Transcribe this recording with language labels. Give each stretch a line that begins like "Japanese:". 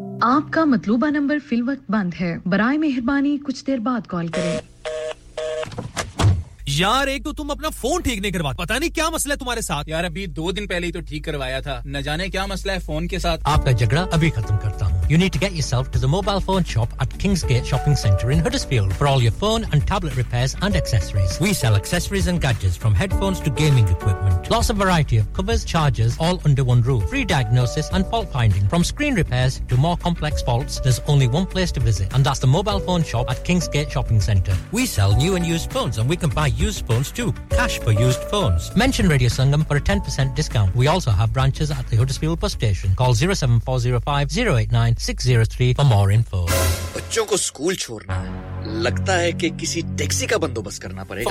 Hindi: Aapka matlooba number fil waqt band hai. Baraye meherbani kuch der baad call kare. यार एक तो तुम अपना फोन ठीक नहीं करवाते, पता नहीं क्या मसला है तुम्हारे साथ। यार अभी दो दिन पहले ही तो ठीक करवाया था, न जाने क्या मसला है फोन के साथ। आपका झगड़ा अभी खत्म करता हूँ।
English: You need to get yourself to the mobile phone shop at Kingsgate Shopping Centre in Huddersfield for all your phone and tablet repairs and accessories. We sell accessories and gadgets from headphones to gaming equipment. Lots of variety of covers, chargers, all under one roof. Free diagnosis and fault finding. From screen repairs to more complex faults, there's only one place to visit, and that's the mobile phone shop at Kingsgate Shopping Centre. We sell new and used phones, and we can buy used phones too. Cash for used phones. Mention Radio Sangam for a 10% discount. We also have branches at the Huddersfield bus station. Call 07405-089. 603 for more info.
Hindi: बच्चों को school छोड़ना है, लगता है कि किसी taxi का बंदोबस्त करना पड़ेगा.